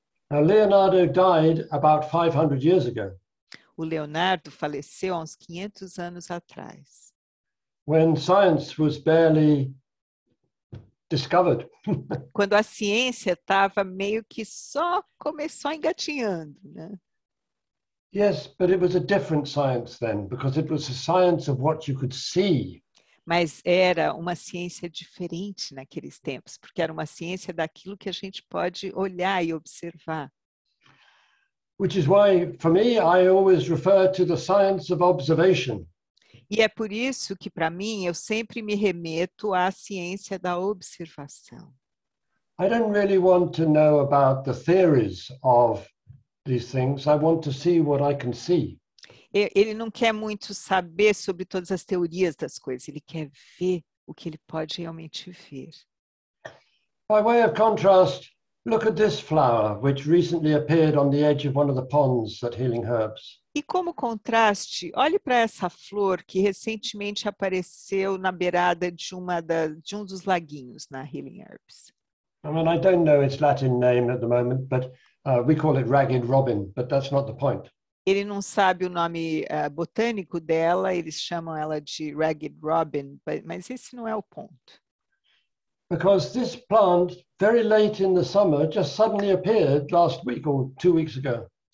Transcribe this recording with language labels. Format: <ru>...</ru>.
<en>Now, Leonardo died about 500 years ago.</en> <pt>O Leonardo faleceu há uns 500 anos atrás.</pt> <en>When science was barely discovered.</en> <pt>Quando a ciência estava meio que só começou engatinhando, né?</pt> <en>Yes, but it was a different science then, because it was a science of what you could see.</en> <pt>Mas era uma ciência diferente naqueles tempos, porque era uma ciência daquilo que a gente pode olhar e observar.</pt> <en>Which is why, for me, I always refer to the science of observation.</en> <pt>E é por isso que, para mim, eu sempre me remeto à ciência da observação.</pt> <en>I don't really want to know about the theories of these things. I want to see what I can see.</en> <pt>Ele não quer muito saber sobre todas as teorias das coisas. Ele quer ver o que ele pode realmente ver.</pt> <en>By way of contrast, look at this flower, which recently appeared on the edge of one of the ponds at Healing Herbs.</en> <pt>E como contraste, olhe para essa flor que recentemente apareceu na beirada de um dos laguinhos na Healing Herbs.</pt> <en>I mean, I don't know its Latin name at the moment, but we call it ragged robin, but that's not the point.</en> <pt>Ele não sabe o nome botânico dela, eles chamam ela de ragged robin, mas esse não é o ponto.</pt> <en>Because this plant, very late in the summer, just suddenly appeared last week or 2 weeks ago.</en>